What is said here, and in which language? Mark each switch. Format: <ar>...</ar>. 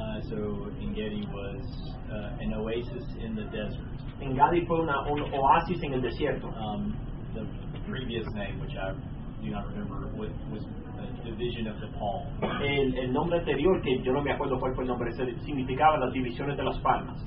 <en>So En-Gedi was an oasis in the desert.</en> <es>En-Gedi fue un oasis en el desierto.</es> <en>The previous name, which I do not remember, was a division of the palm.</en> <es>El nombre anterior, que yo no me acuerdo cuál fue el nombre, significaba las divisiones de las palmas.</es>